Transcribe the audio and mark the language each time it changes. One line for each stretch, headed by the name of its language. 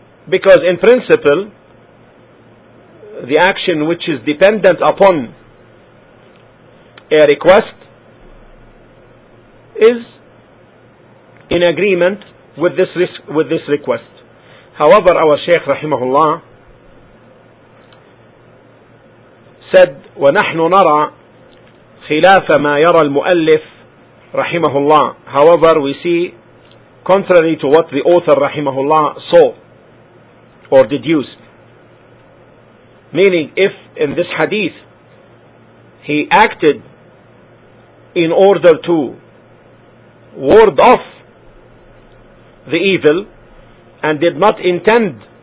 English: Because in principle, the action which is dependent upon a request is in agreement with this request. However, our Shaykh rahimahullah said,
Arabic: وَنَحْنُ نَرَى خِلَافَ مَا يَرَى الْمُؤَلِّفِ رَحِمَهُ اللَّهِ.
English: However, we see contrary to what the author rahimahullah saw or deduced. Meaning, if in this hadith he acted in order to ward off the evil and did not intend